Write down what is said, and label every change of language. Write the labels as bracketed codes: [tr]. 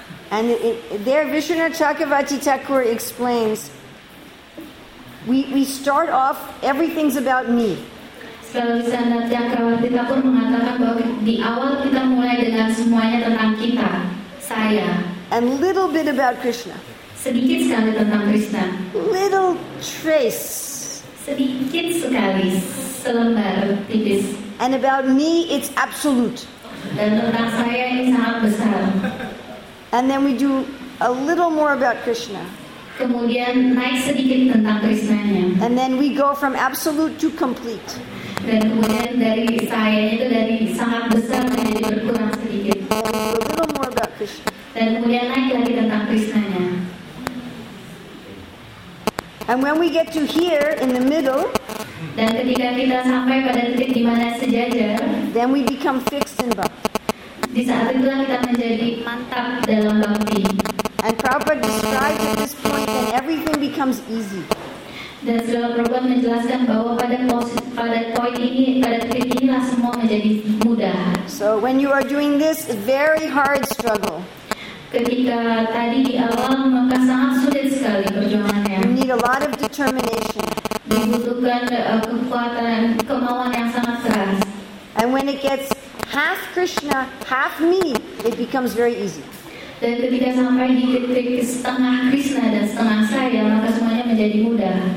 [en] And there Vishwanatha Chakravarti Thakur explains, we start off, everything's about me. [id] Vishwanatha Chakravarti Thakur mengatakan bahwa di awal kita mulai dengan semuanya tentang kita, saya. [en] And little bit about Krishna. [id] Sedikit sekali tentang Krishna. [en] Little trace. [id] Sedikit sekali, selembar tipis. [en] And about me, it's absolute. [id] Dan tentang saya ini sangat besar. [en] And then we do a little more about Krishna. [id] Kemudian naik sedikit tentang Krishnanya. [en] And then we go from absolute to complete. [id] Dan kemudian dari saya itu dari sangat besar menjadi berkurang sedikit. [en] A little more about Krishna. [id] Dan kemudian naik lagi tentang Krishnanya. [en] And when we get to here in the middle, [id] dan ketika kita sampai pada titik di mana sejajar, [en] then we become fixed in bhakti. [id] Di saat itulah kita menjadi mantap dalam bhakti. [en] And Prabhupada describes at this point that everything becomes easy. [id] Dan Srila Prabhupada menjelaskan bahwa pada poin ini, pada titik inilah semua menjadi mudah. [en] So when you are doing this, very hard struggle. [id] Ketika tadi di awal, maka sangat sulit sekali perjuangannya. [en] You need a lot of determination. [id] Dibutuhkan kekuatan, kemauan yang sangat keras. [en] And when it gets half Krishna, half me, it becomes very easy. [id] Dan ketika sampai di titik setengah Krishna dan setengah saya, maka semuanya menjadi mudah.